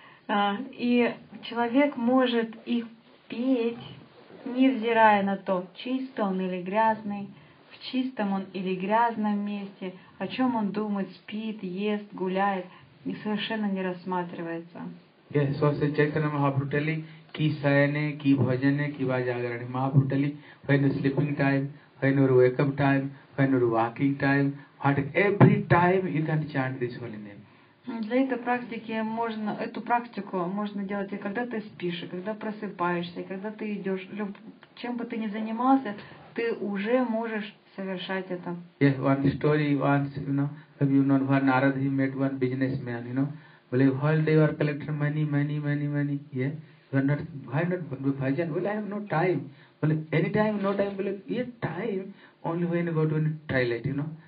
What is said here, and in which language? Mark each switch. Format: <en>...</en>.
<ru>И человек может их петь, невзирая на то, чистый он или грязный, в чистом он или грязном месте, о чем он думает, спит, ест, гуляет, и совершенно не рассматривается.</ru> <en>Yes, so Sri Chaitanya Mahaprabhu telling,</en> <bn>ki sayane, ki bhajane, ki vajagarani.</bn> <en>Mahaprabhu telling, when the sleeping time, when your wake up time, when your walking time, what every time you can chant this holy name.</en> <ru>Для этой практики можно, эту практику можно делать и когда ты спишь, и когда просыпаешься, и когда ты идешь. Чем бы ты ни занимался, ты уже можешь совершать это.</ru> <en>Yes, one story once, you know, have you known one Narada, he met one businessman, you know. Well, the whole day you are collecting money, yeah. Why not bhajan? Well, I have no time. Well, any time, no time, well, yeah, time, only when you go to any toilet, you know.</en>